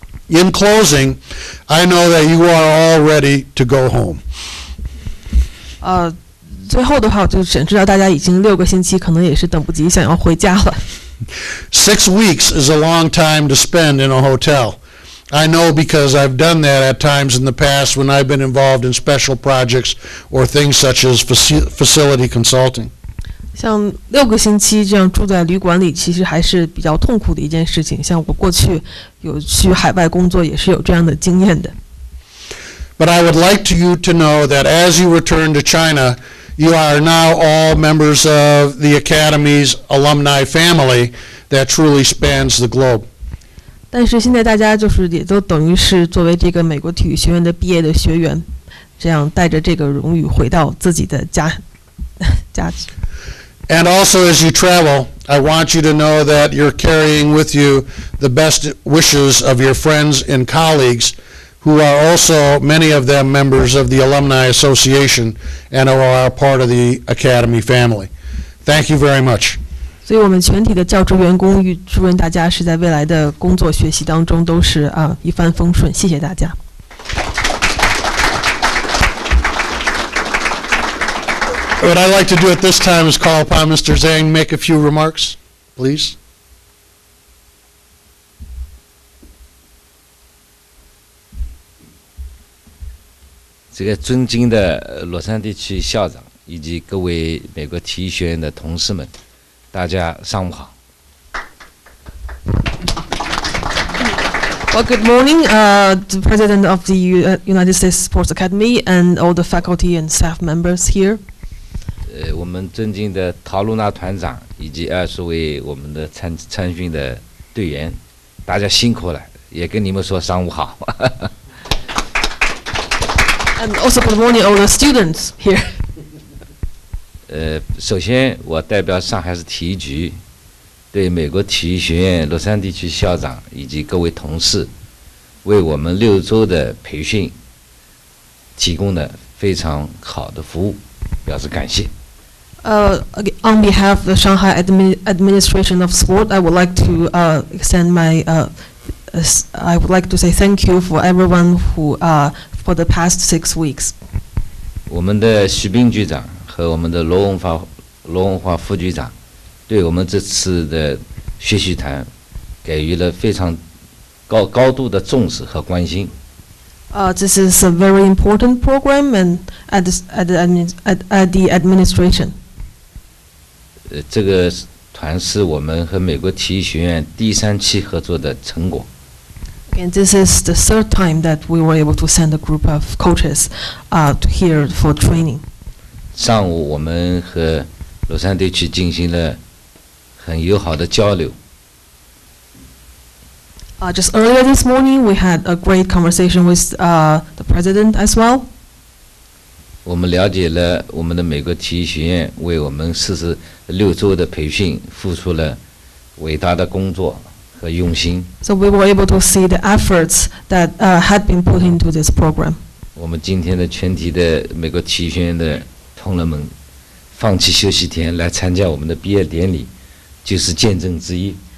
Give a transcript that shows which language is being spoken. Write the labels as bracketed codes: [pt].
[en] In closing, I know that you are all ready to go home. [zh] 最后的话，我就想知道大家已经六个星期，可能也是等不及想要回家了。 [en] Six weeks is a long time to spend in a hotel. I know because I've done that at times in the past when I've been involved in special projects or things such as facility consulting. [zh] 像六个星期这样住在旅馆里，其实还是比较痛苦的一件事情。像我过去有去海外工作，也是有这样的经验的。 [en] But I would like to you to know that as you return to China, you are now all members of the Academy's alumni family that truly spans the globe. [zh] 但是现在大家就是也都等于是作为这个美国体育学院的毕业的学员，这样带着这个荣誉回到自己的家去。 [en] And also as you travel, I want you to know that you're carrying with you the best wishes of your friends and colleagues who are also, many of them, members of the Alumni Association and are a part of the Academy family. Thank you very much. [zh] 所以我们全体的教职员工与祝愿大家是在未来的工作学习当中都是一帆风顺，谢谢大家。 [en] What I'd like to do at this time is call upon Mr. Zhang to make a few remarks, please. This [zh] 个尊敬的洛杉矶区校长以及各位美国体育学院的同事们，大家上午好。 [en] Well, good morning, the President of the United States Sports Academy and all the faculty and staff members here. [zh] 我们尊敬的陶露娜团长以及二十位我们的参训的队员，大家辛苦了，也跟你们说上午好。 [en] And also good morning, all the students here. [zh] 首先我代表上海市体育局，对美国体育学院洛杉矶区校长以及各位同事，为我们六周的培训提供了非常好的服务，表示感谢。 [en] On behalf of the Shanghai Administration of Sport, I would like to extend my, I would like to say thank you for everyone who, for the past 6 weeks. [zh] 我们的徐斌局长和我们的罗文华副局长对我们这次的学习团给予了非常高度的重视和关心。 [en] This is a very important program and at the administration. [zh] 这个团是我们和美国体育学院第三期合作的成果。 [en] And this is the third time that we were able to send a group of coaches here for training. [zh] 上午我们和洛杉矶区进行了很友好的交流。 [en] Just earlier this morning, we had a great conversation with the president as well. [zh] 我们了解了我们的美国体育学院为我们46周的培训付出了伟大的工作和用心。 [en] So we were able to see the efforts that had been put into this program. [zh] 我们今天的全体的美国体育学院的同仁们放弃休息天来参加我们的毕业典礼，就是见证之一。